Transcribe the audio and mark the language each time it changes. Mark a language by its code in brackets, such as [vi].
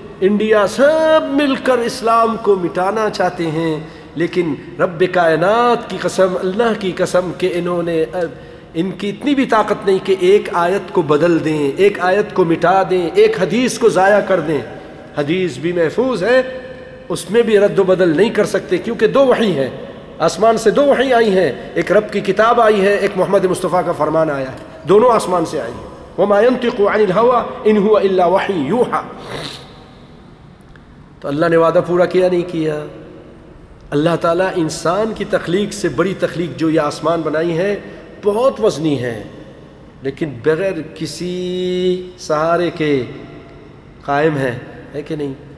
[ur] India سب مل کر اسلام کو مٹانا چاہتے ہیں، لیکن رب کائنات کی قسم، اللہ کی قسم کہ انہوں نے، ان کی اتنی بھی طاقت نہیں کہ ایک آیت کو بدل دیں، ایک آیت کو مٹا دیں، ایک حدیث کو ضائع کر دیں. حدیث بھی محفوظ ہے، اس میں بھی رد و بدل نہیں کر سکتے، کیونکہ دو وحی ہیں، آسمان سے دو وحی آئی ہیں، ایک رب کی کتاب آئی ہے، ایک محمد مصطفیٰ کا فرمان آیا ہے، دونوں آسمان سے آئی ہیں. [ar] وما ينطق عن الهوى ان هو الا وحی یوحا. [ur] تو اللہ نے وعدہ پورا کیا نہیں کیا. اللہ تعالیٰ انسان کی تخلیق سے بڑی تخلیق جو یہ آسمان بنائی ہے بہت وزنی ہے، لیکن بغیر کسی سہارے کے قائم ہے، ہے کہ نہیں؟